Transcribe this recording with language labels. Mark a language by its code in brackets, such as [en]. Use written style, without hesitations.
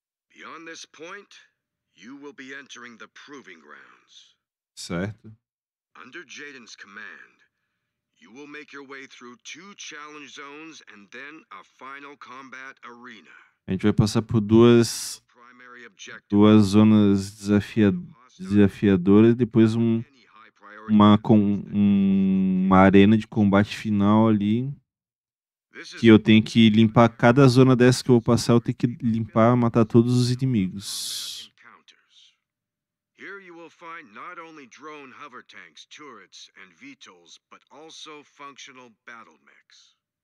[en] Beyond this point, you will be entering the proving grounds. Certo. Under Jaden's command, you will make your way through two challenge zones and then a final combat arena. [pt] A gente vai passar por duas zonas desafiadoras, depois uma arena de combate final ali. Que eu tenho que limpar cada zona dessa que eu vou passar, eu tenho que limpar, matar todos os inimigos. [en] Here you will find not only drone hover tanks, turrets and VTOLs, but also functional battle mechs.